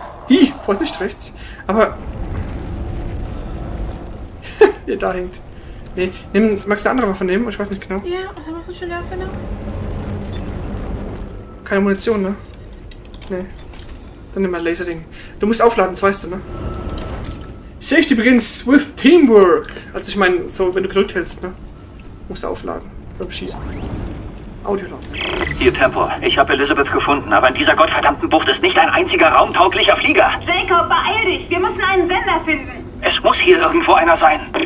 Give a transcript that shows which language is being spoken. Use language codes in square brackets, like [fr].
[de] Hi, Vorsicht rechts. Aber. Ja, da hängt. Nee, nimm, magst du eine andere Waffe nehmen? Ich weiß nicht genau. Ja, was haben wir schon da für eine? Keine Munition, ne? Nee. Dann nimm mal ein Laserding. Du musst aufladen, das weißt du, ne? [en] Safety begins with teamwork. [de] Also ich meine, so wenn du gedrückt hältst, ne? Musst du aufladen. Beim Schießen. Audiolog. Hier Tempo, ich habe Elizabeth gefunden, aber in dieser gottverdammten Bucht ist nicht ein einziger raumtauglicher Flieger. Jacob, beeil dich! Wir müssen einen Sender finden! Es muss hier irgendwo einer sein.